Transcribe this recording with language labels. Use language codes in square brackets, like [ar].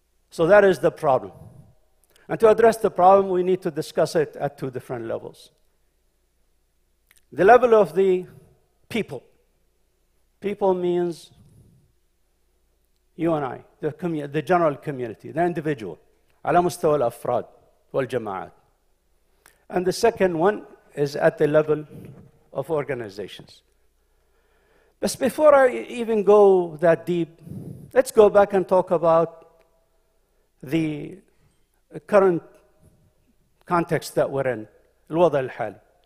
[en] So that is the problem. And to address the problem, we need to discuss it at two different levels. The level of the people. People means you and I, the general community, the individual. [ar] على مستوى الأفراد والجماعات. [en] And the second one is at the level of organizations. But before I even go that deep, let's go back and talk about the current context that we're in, [ar] الوضع الحالي.